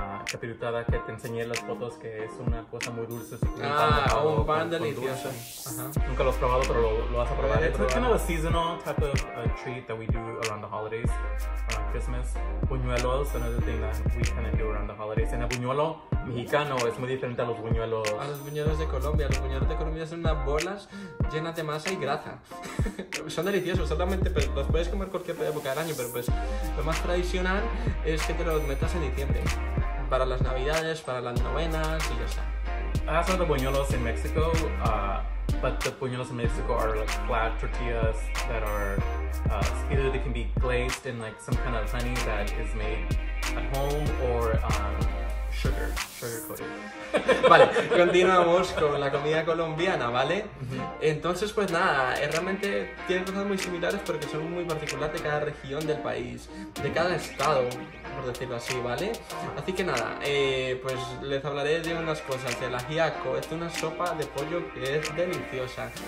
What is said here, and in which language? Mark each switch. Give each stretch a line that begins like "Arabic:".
Spanish: Capirutada, que te enseñé en las fotos, que es una cosa muy dulce. Ah, un pan delicioso. Uh-huh. Nunca lo has probado, pero lo vas a probar.
English: Es kind of a seasonal type of a treat that we do around the holidays, around Christmas. Buñuelos, another thing that we kind of do around the holidays.
Spanish: En el buñuelo mexicano es muy diferente a los buñuelos. A los buñuelos de Colombia. Los buñuelos de Colombia son unas bolas llenas de masa y grasa. Son deliciosos, solamente los puedes comer cualquier época del año, pero pues lo más tradicional es que te los metas en diciembre. Para las navidades, para las novenas, y ya está.
English: I have some of the buñuelos in Mexico, but the buñuelos in Mexico are like flat tortillas that are, either they can be glazed in like some kind of honey that is made at home, or sugar coated.
Spanish: Vale, continuamos con la comida colombiana, ¿vale? Entonces, pues nada, realmente tienen cosas muy similares, pero que son muy particulares de cada región del país, de cada estado, por decirlo así, ¿vale? Así que nada, pues les hablaré de unas cosas. El ajiaco es una sopa de pollo que es deliciosa.